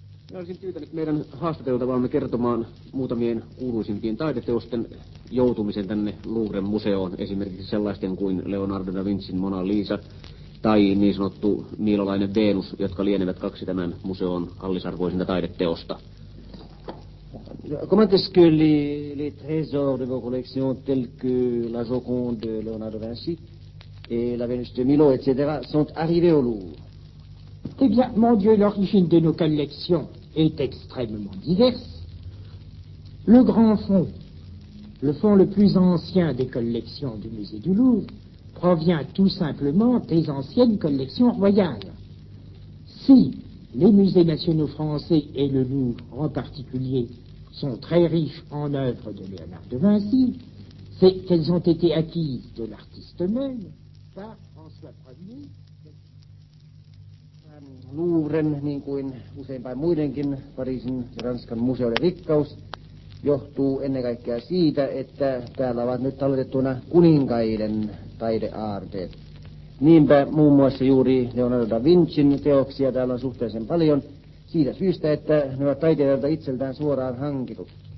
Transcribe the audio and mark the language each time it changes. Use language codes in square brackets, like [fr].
[fi] Minä olisin tyytänyt meidän haastateltavaamme kertomaan muutamien kuuluisimpien taideteosten joutumisen tänne Louvren museoon, esimerkiksi sellaisten kuin Leonardo da Vincin Mona Lisa tai niin sanottu miilolainen Venus, jotka lienevät 2 tämän museon kallisarvoisinta taideteosta. [fr] Comment est-ce que les trésors de vos collections, tels que la Joconde de Léonard de Vinci et la Vénus de Milo, etc., sont arrivés au Louvre? Eh bien, mon Dieu, l'origine de nos collections est extrêmement diverse. Le grand fonds, le fonds le plus ancien des collections du musée du Louvre, provient tout simplement des anciennes collections royales. Si les musées nationaux français et le Louvre en particulier sont très riches en œuvres de Léonard de Vinci, c'est qu'elles ont été acquises de l'artiste même par François Ier. [fi] Louvren, niin kuin useinpäin muidenkin Pariisin ja Ranskan museoiden rikkaus, johtuu ennen kaikkea siitä, että täällä ovat nyt talletettuna kuninkaiden taideaarteet. Niinpä muun muassa juuri Leonardo da Vincin teoksia täällä on suhteellisen paljon siitä syystä, että ne ovat taiteilijalta itseltään suoraan hankitut.